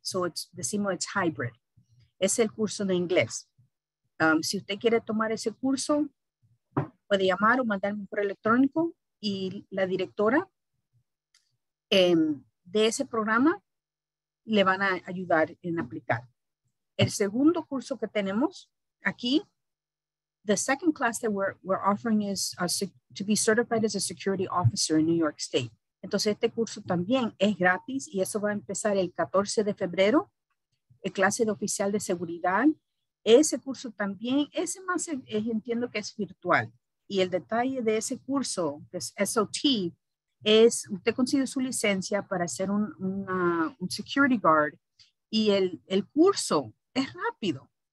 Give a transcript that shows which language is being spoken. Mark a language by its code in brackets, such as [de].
[es] So decimos [en] it's hybrid. [es] Es el curso de inglés. Si usted quiere tomar ese curso, puede llamar o mandarme por electrónico y la directora de ese programa le van a ayudar en aplicar. El segundo curso que tenemos aquí, [en] the second class that we're offering is to be certified as a security officer in New York State. [es] Entonces, este curso también es gratis y eso va a empezar el 14 de febrero, el clase de oficial de seguridad. Ese curso también, ese más es, entiendo que es virtual. Y el detalle de ese curso, que es SOT, es usted consigue su licencia para ser un security guard y el curso es rápido.